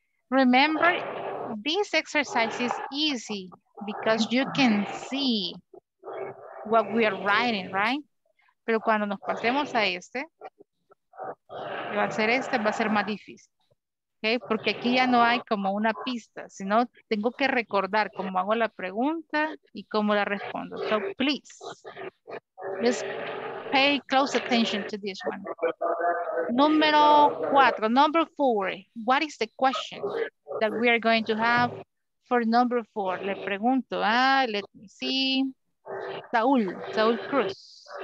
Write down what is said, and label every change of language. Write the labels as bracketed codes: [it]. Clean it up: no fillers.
[en] Remember, this exercise is easy because you can see what we are writing, right? [es] Pero cuando nos pasemos a este, va a ser este, va a ser más difícil. Okay, porque aquí ya no hay como una pista, sino tengo que recordar cómo hago la pregunta y cómo la respondo. [en] So, please, just pay close attention to this one. [es] Número cuatro, [en] number four. What is the question that we are going to have for number four? [es] Le pregunto, [en] let me see. Saul Cruz.